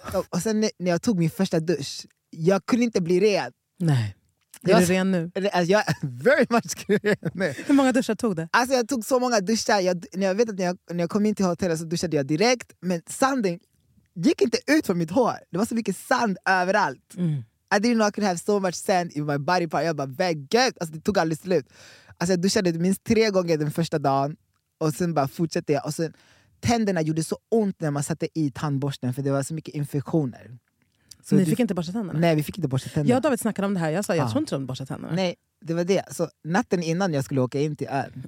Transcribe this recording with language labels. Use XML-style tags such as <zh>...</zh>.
<sv>Och sen när jag tog min första dusch, jag kunde inte bli ren. Nej. Är du ren nu? Alltså, jag är</sv> <en>very much</en> <sv>ren nu. Hur många duschar tog det? Alltså, jag tog så många duschar. När jag kom in till hotellet så duschade jag direkt. Men sanden gick inte ut från mitt hår. Det var så mycket sand överallt. Mm.</sv> <en>I didn't know I could have so much sand in my body part.</en> <sv>Jag bara, väggöt. Alltså, det tog aldrig slut. Alltså, jag duschade minst 3 gånger den första dagen. Och sen bara fortsatte jag. Och sen, tänderna gjorde så ont när man satte i tandborsten. För det var så mycket infektioner. Så ni fick inte borsta tänderna? Nej, vi fick inte borsta tänderna. Jag och David snackade om det här. Jag sa, jag tror inte de borsta tänderna. Nej, det var det. Så natten innan jag skulle åka in till ön.</sv>